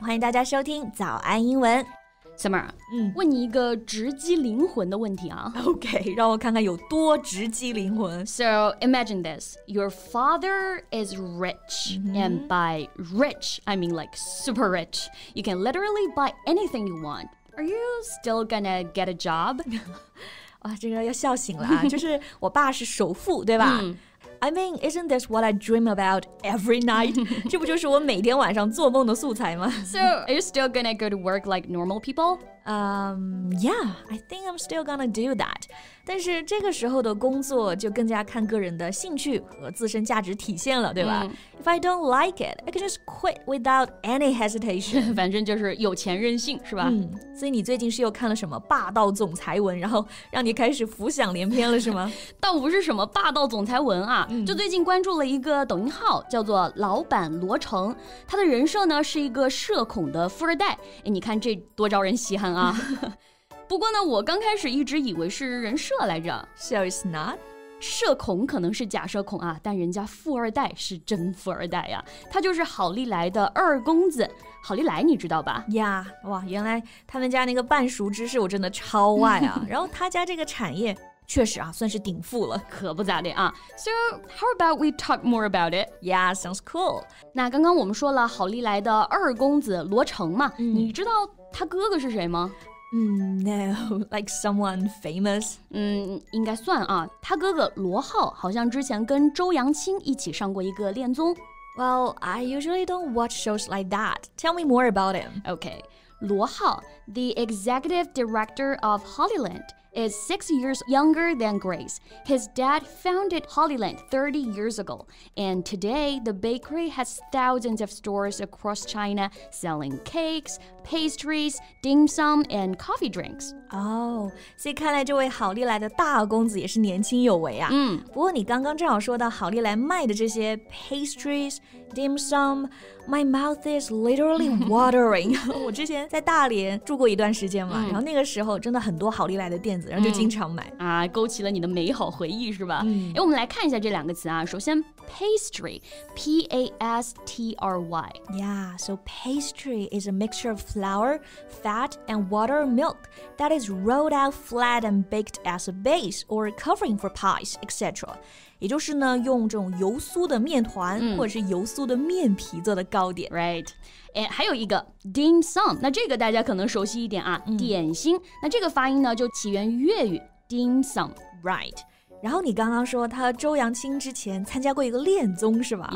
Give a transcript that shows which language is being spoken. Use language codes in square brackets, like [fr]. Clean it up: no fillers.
[zh] 欢迎大家收听早安英文。 Summer,、问你一个直击灵魂的问题啊。 OK, 让我看看有多直击灵魂。 [en] So imagine this, your father is rich,、and by rich, I mean like super rich. You can literally buy anything you want. Are you still gonna get a job? [zh] 哇，这个要笑醒了啊，就是我爸是首富，对吧？ [en] I mean, isn't this what I dream about every night? [zh] 这不就是我每天晚上做梦的素材吗? [en] So, are you still gonna go to work like normal people? Yeah, I think I'm still gonna do that. [zh] 但是这个时候的工作就更加看个人的兴趣和自身价值体现了，对吧? [en] If I don't like it, I can just quit without any hesitation. [zh] 反正就是有钱任性，是吧? 所以你最近是又看了什么霸道总裁文，然后让你开始浮想联翩了，是吗? 倒不是什么霸道总裁文啊。就最近关注了一个抖音号叫做老板罗成，他的人设呢是一个社恐的富二代，你看这多招人稀罕啊。不过呢，我刚开始一直以为是人设来着。 [en] So it's not? [zh] 社恐可能是假社恐啊，但人家富二代是真富二代啊，他就是好利来的二公子好利来，你知道吧？ Yeah, 哇，原来他们家那个半熟芝士我真的超爱啊。然后他家这个产业确实啊，算是顶富了，可不咋的啊。 [en] So, how about we talk more about it? Yeah, sounds cool. [zh] 那刚刚我们说了好利来的二公子罗成嘛，你知道他哥哥是谁吗？ [en] No, like someone famous. [zh] 应该算啊，他哥哥罗浩好像之前跟周扬青一起上过一个恋综。 [en] Well, I usually don't watch shows like that. Tell me more about him. Okay, 罗浩, the executive director of Hollyland,is 6 years younger than Grace. His dad founded Hollyland 30 years ago, and today the bakery has thousands of stores across China selling cakes, pastries, dim sum, and coffee drinks. [zh] Oh, 所以看来这位好利来的大公子也是年轻有为啊。不过你刚刚正好说到好利来卖的这些 pastries, dim sum, [en] my mouth is literally watering. [zh] 我之前在大连住过一段时间嘛，然后那个时候真的很多好利来的店然后就经常买、勾起了你的美好回忆是吧、我们来看一下这两个词啊，首先 pastry P-A-S-T-R-Y [en] Yeah, so pastry is a mixture of flour, fat and water milk that is rolled out flat and baked as a base or covering for pies, etc. [zh] 也就是呢用这种油酥的面团、或者是油酥的面皮做的糕点 Right And 还有一个 dim sum, 那这个大家可能熟悉一点啊、点心。那这个发音呢就起源于粤语 dim sum, [en] right. [zh] 然后你刚刚说他周扬青之前参加过一个恋综是吧